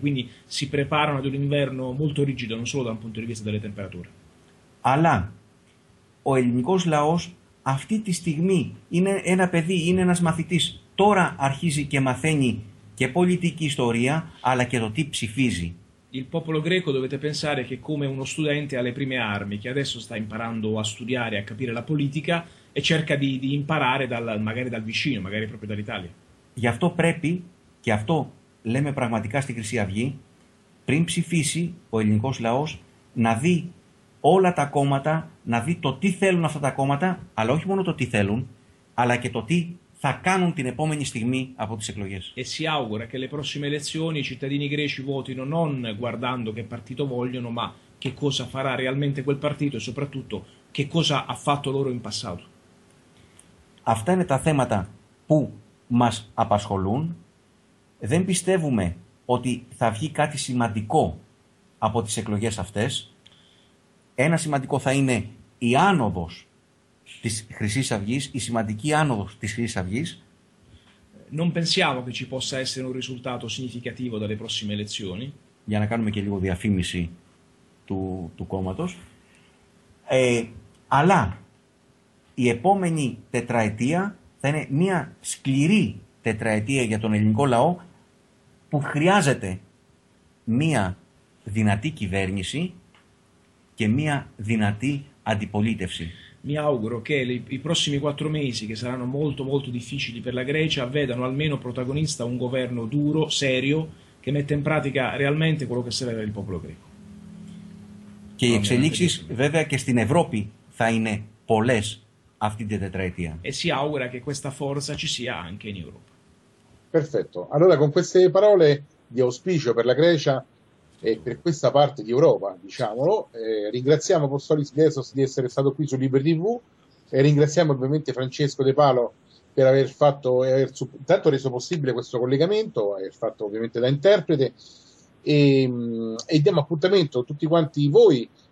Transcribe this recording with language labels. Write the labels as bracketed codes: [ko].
[it] Quindi si preparano ad un inverno molto rigido, non solo da un punto di vista delle temperature. [el] Αλλά ο ελληνικός λαός αυτή τη στιγμή είναι ένα παιδί, είναι ένας μαθητής. Τώρα αρχίζει και μαθαίνει και πολιτική ιστορία, αλλά και το τι ψηφίζει. [it] Il popolo greco dovete pensare che come uno studente ha le prime armi, che adesso sta imparando a studiare, a capire la politica e cerca di imparare magari dal vicino, magari proprio dall'Italia. [el] Γι' αυτό πρέπει, και αυτό λέμε πραγματικά στην Χρυσή Αυγή, πριν ψηφίσει ο ελληνικός λαός, να δει όλα τα κόμματα, να δει το τι θέλουν αυτά τα κόμματα, αλλά όχι μόνο το τι θέλουν, αλλά και το τι θα κάνουν την επόμενη στιγμή από τις εκλογές. [it] E si augura che le prossime elezioni i cittadini greci votino non guardando che partito vogliono, ma che cosa farà realmente quel partito e soprattutto che cosa ha fatto loro in passato. [el] Αυτά είναι τα θέματα που μας απασχολούν. Δεν πιστεύουμε ότι θα βγει κάτι σημαντικό από τις εκλογές αυτές. Ένα σημαντικό θα είναι η άνοδος της Χρυσής Αυγής, η σημαντική άνοδος της Χρυσής Αυγής. [it] Non pensiamo che ci possa essere un risultato significativo dalle prossime elezioni. [el] Για να κάνουμε και λίγο διαφήμιση του κόμματος. Αλλά η επόμενη τετραετία θα είναι μια σκληρή τετραετία για τον ελληνικό λαό που χρειάζεται μια δυνατή κυβέρνηση και μια δυνατή αντιπολίτευση. [it] Mi auguro che i prossimi quattro mesi, che saranno molto molto difficili per la Grecia, vedano almeno protagonista un governo duro, serio, che mette in pratica realmente quello che serve per il popolo greco. [el] Και οι εξελίξεις, βέβαια, και στην Ευρώπη θα είναι πολλές αυτή την τετραετία. [it] E si augura che questa forza ci sia anche in Europa. Perfetto. Allora, con queste parole di auspicio per la Grecia e per questa parte di Europa, diciamolo, ringraziamo Apostolis Gesos di essere stato qui su Liberty TV e ringraziamo ovviamente Francesco De Palo per aver fatto e aver tanto reso possibile questo collegamento, aver fatto ovviamente da interprete, e diamo appuntamento a tutti quanti voi